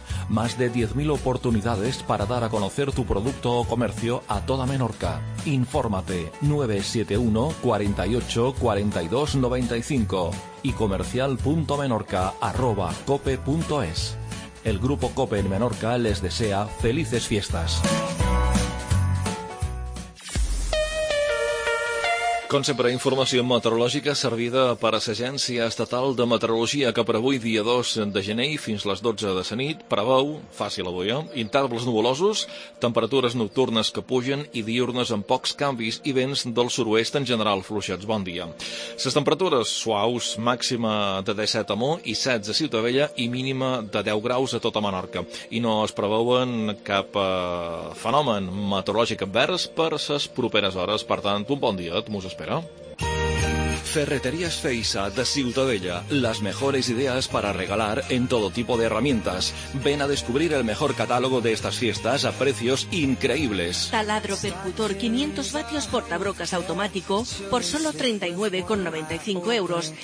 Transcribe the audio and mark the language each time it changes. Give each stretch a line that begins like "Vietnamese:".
Spanish: Más de 10.000 oportunidades para dar a conocer tu producto o comercio a toda Menorca. Infórmate 971 48 42 95 y comercial.menorca@cope.es. El Grupo COPE en Menorca les desea felices fiestas.
Catalan: Com sempre, informació meteorològica servida per a l'Agència Estatal de Meteorologia, que per avui, dia 2 de gener, fins les 12 de la nit, preveu, fàcil avui, intervals nuvolosos, temperatures nocturnes que pugen i diurnes amb pocs canvis i vents del sud-oest en general fluixats. Bon dia. Les temperatures suaus, màxima de 17 a Mó i 16 a Ciutadella i mínima de 10 graus a tota Menorca. I no es preveuen cap fenomen meteorològic advers per les properes hores. Per tant, un bon dia, espera.
Spanish: Ferreterías Feisa de Ciutadella. Las mejores ideas para regalar en todo tipo de herramientas. Ven a descubrir el mejor catálogo de estas fiestas a precios increíbles. Taladro percutor 500 vatios portabrocas automático por solo 39,95 euros.